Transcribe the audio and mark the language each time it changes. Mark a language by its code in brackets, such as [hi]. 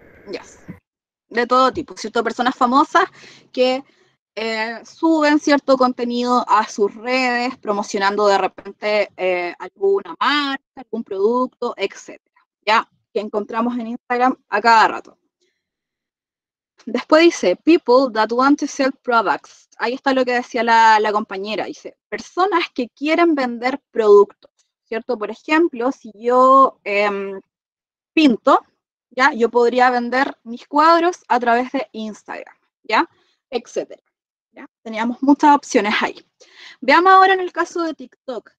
[en] Yes. [es] De todo tipo, ¿cierto? Personas famosas que... suben cierto contenido a sus redes, promocionando de repente alguna marca, algún producto, etcétera. Ya, que encontramos en Instagram a cada rato. Después dice, [en] people that want to sell products. [es] Ahí está lo que decía la compañera, dice, personas que quieren vender productos, ¿cierto? Por ejemplo, si yo pinto, ¿ya? Yo podría vender mis cuadros a través de Instagram, ¿ya? Etcétera. ¿Ya? Teníamos muchas opciones ahí. Veamos ahora en el caso de TikTok.